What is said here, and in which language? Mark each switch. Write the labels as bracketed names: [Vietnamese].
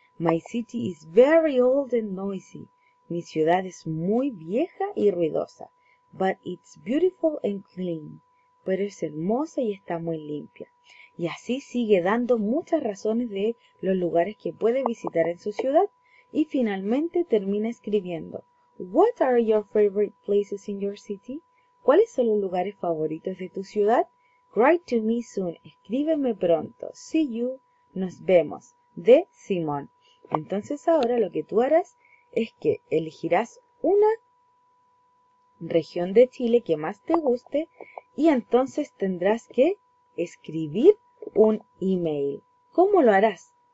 [English] My city is very old and noisy. [Spanish] Mi ciudad es muy vieja y ruidosa. [English] But it's beautiful and clean. [Spanish] Pero es hermosa y está muy limpia. Y así sigue dando muchas razones de los lugares que puede visitar en su ciudad. Y finalmente termina escribiendo. [English] What are your favorite places in your city? [Spanish] ¿Cuáles son los lugares favoritos de tu ciudad? [English] Write to me soon. [Spanish] Escríbeme pronto. [English] See you. [Spanish] Nos vemos. De Simón. Entonces ahora lo que tú harás es que elegirás una región de Chile que más te guste y entonces tendrás que escribir un email. ¿Cómo lo harás?